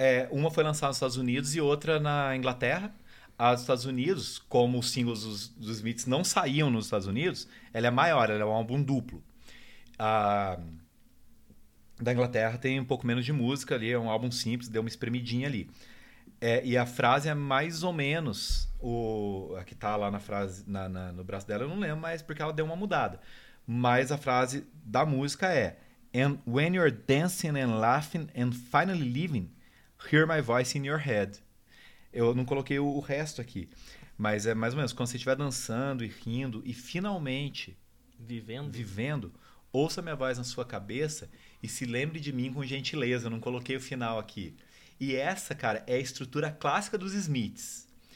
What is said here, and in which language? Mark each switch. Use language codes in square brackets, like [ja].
[pt] Uma foi lançada nos Estados Unidos e outra na Inglaterra. As dos Estados Unidos, como os singles dos Smiths não saíam nos Estados Unidos, ela é maior, ela é um álbum duplo. Da Inglaterra tem um pouco menos de música ali, é um álbum simples, deu uma espremidinha ali. E a frase é mais ou menos a que está lá na frase, no braço dela, eu não lembro, mas porque ela deu uma mudada. Mas a frase da música é: [en] "And when you're dancing and laughing and finally leaving, hear my voice in your head." [pt] Eu não coloquei o resto aqui. Mas é mais ou menos. Quando você estiver dançando e rindo e finalmente... Vivendo. Ouça minha voz na sua cabeça e se lembre de mim com gentileza. Eu não coloquei o final aqui. E essa, cara, é a estrutura clássica dos Smiths.